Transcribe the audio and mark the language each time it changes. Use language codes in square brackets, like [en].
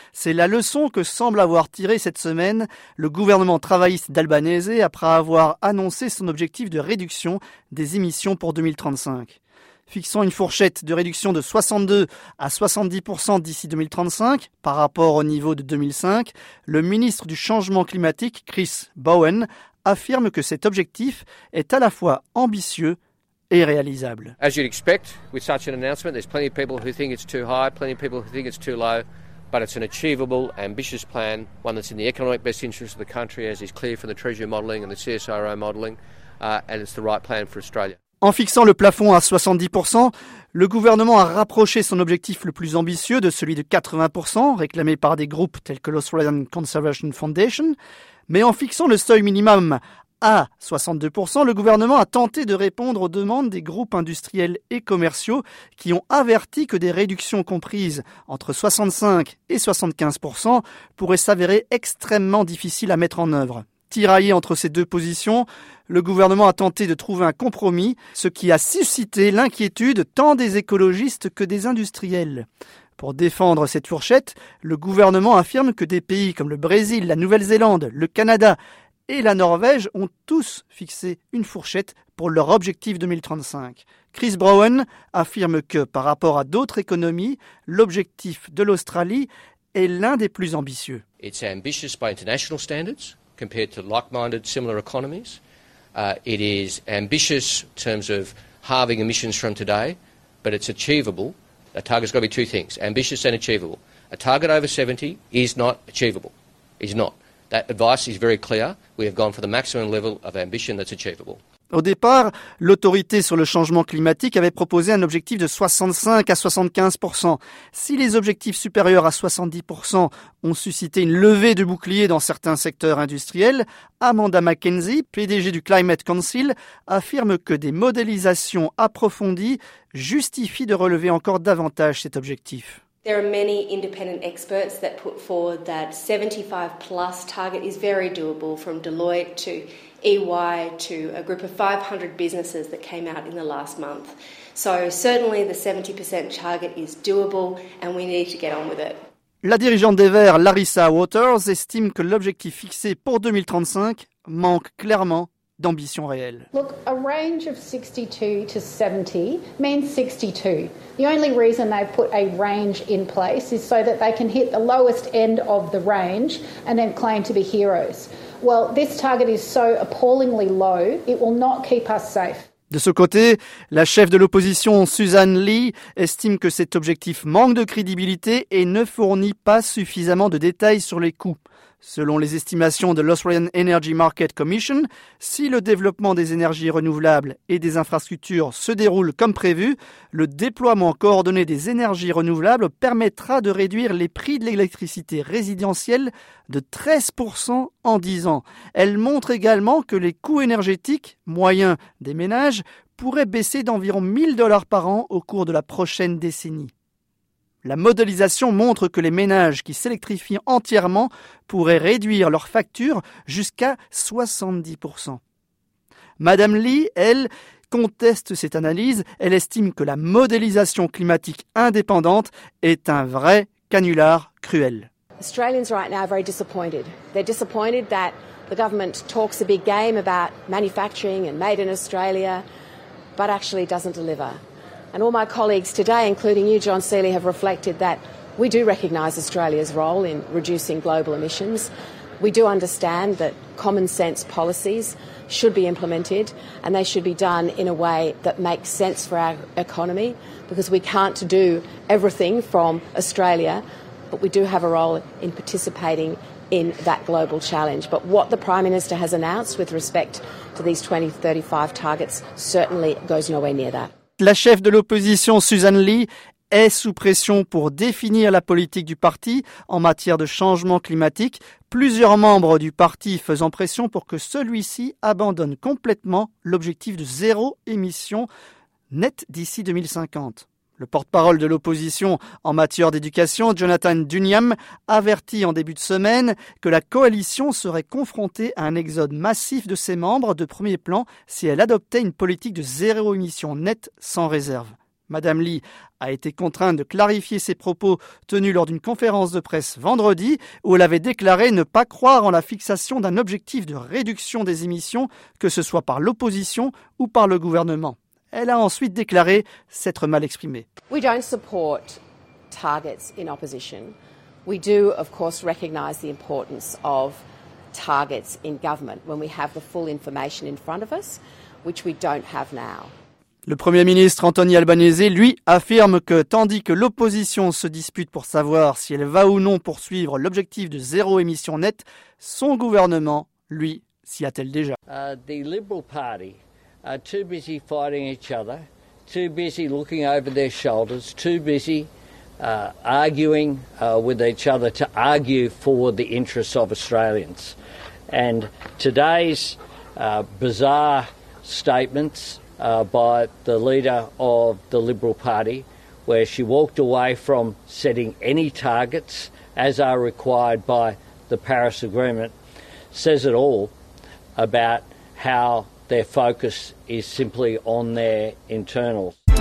[fr] C'est la leçon que semble avoir tirée cette semaine le gouvernement travailliste d'Albanese après avoir annoncé son objectif de réduction des émissions pour 2035. Fixant une fourchette de réduction de 62 à 70% d'ici 2035 par rapport au niveau de 2005, le ministre du changement climatique, Chris Bowen, affirme que cet objectif est à la fois ambitieux et réalisable. [en] As you'd expect with such an announcement, there's plenty of people who think it's too high, plenty of people who think it's too low, but it's an achievable, ambitious plan, one that's in the economic best interest of the country, as is clear from the Treasury modelling and the CSIRO modelling, and it's the right plan for Australia. [fr] En fixant le plafond à 70%, le gouvernement a rapproché son objectif le plus ambitieux de celui de 80%, réclamé par des groupes tels que l'Australian Conservation Foundation. Mais en fixant le seuil minimum à 62%, le gouvernement a tenté de répondre aux demandes des groupes industriels et commerciaux qui ont averti que des réductions comprises entre 65 et 75% pourraient s'avérer extrêmement difficiles à mettre en œuvre. Tiraillé entre ces deux positions, le gouvernement a tenté de trouver un compromis, ce qui a suscité l'inquiétude tant des écologistes que des industriels. Pour défendre cette fourchette, le gouvernement affirme que des pays comme le Brésil, la Nouvelle-Zélande, le Canada et la Norvège ont tous fixé une fourchette pour leur objectif 2035. Chris Bowen affirme que, par rapport à d'autres économies, l'objectif de l'Australie est l'un des plus ambitieux. [en] It's ambitious by international standards. Compared to like-minded similar economies. It is ambitious in terms of halving emissions from today, but it's achievable. A target's got to be two things, ambitious and achievable. A target over 70 is not achievable, is not. That advice is very clear. We have gone for the maximum level of ambition that's achievable. [fr] Au départ, l'autorité sur le changement climatique avait proposé un objectif de 65 à 75%. Si les objectifs supérieurs à 70% ont suscité une levée de boucliers dans certains secteurs industriels, Amanda McKenzie, PDG du Climate Council, affirme que des modélisations approfondies justifient de relever encore davantage cet objectif. [en] There are many independent experts that put forward that 75 plus target is very doable, from Deloitte to EY to a group of 500 businesses that came out in the last month. So certainly the 70% target is doable and we need to get on with it. [fr] La dirigeante des Verts, Larissa Waters, estime que l'objectif fixé pour 2035 manque clairement d'ambition réelle. [en] Look, a range of 62 to 70 means 62. The only reason they put a range in place is so that they can hit the lowest end of the range and then claim to be heroes. Well, this target is so appallingly low, it will not keep us safe. [fr] De ce côté, la chef de l'opposition, Susan Lee, estime que cet objectif manque de crédibilité et ne fournit pas suffisamment de détails sur les coûts. Selon les estimations de l'Australian Energy Market Commission, si le développement des énergies renouvelables et des infrastructures se déroule comme prévu, le déploiement coordonné des énergies renouvelables permettra de réduire les prix de l'électricité résidentielle de 13% en 10 ans. Elle montre également que les coûts énergétiques moyens des ménages pourraient baisser d'environ 1000 dollars par an au cours de la prochaine décennie. La modélisation montre que les ménages qui s'électrifient entièrement pourraient réduire leurs factures jusqu'à 70%. Madame Lee, elle, conteste cette analyse. Elle estime que la modélisation climatique indépendante est un vrai canular cruel. [en] Australians right now are very disappointed. They're disappointed that the government talks a big game about manufacturing and made in Australia, but actually doesn't deliver. And all my colleagues today, including you, John Seely, have reflected that we do recognise Australia's role in reducing global emissions. We do understand that common sense policies should be implemented and they should be done in a way that makes sense for our economy, because we can't do everything from Australia, but we do have a role in participating in that global challenge. But what the Prime Minister has announced with respect to these 2035 targets certainly goes nowhere near that. [fr] La chef de l'opposition, Susan Lee, est sous pression pour définir la politique du parti en matière de changement climatique, plusieurs membres du parti faisant pression pour que celui-ci abandonne complètement l'objectif de zéro émission nette d'ici 2050. Le porte-parole de l'opposition en matière d'éducation, Jonathan Dunham, avertit en début de semaine que la coalition serait confrontée à un exode massif de ses membres de premier plan si elle adoptait une politique de zéro émission nette sans réserve. Madame Lee a été contrainte de clarifier ses propos tenus lors d'une conférence de presse vendredi où elle avait déclaré ne pas croire en la fixation d'un objectif de réduction des émissions, que ce soit par l'opposition ou par le gouvernement. Elle a ensuite déclaré s'être mal exprimée. [en] We don't support targets in opposition. We do, of course, recognise the importance of targets in government when we have the full information in front of us, which we don't have now. [fr] Le Premier ministre Anthony Albanese, lui, affirme que tandis que l'opposition se dispute pour savoir si elle va ou non poursuivre l'objectif de zéro émission nette, son gouvernement, lui, s'y attelle déjà. [en] The Liberal Party are too busy fighting each other, too busy looking over their shoulders, too busy arguing with each other to argue for the interests of Australians. And today's bizarre statements by the leader of the Liberal Party, where she walked away from setting any targets as are required by the Paris Agreement, says it all about how their focus is simply on their internals.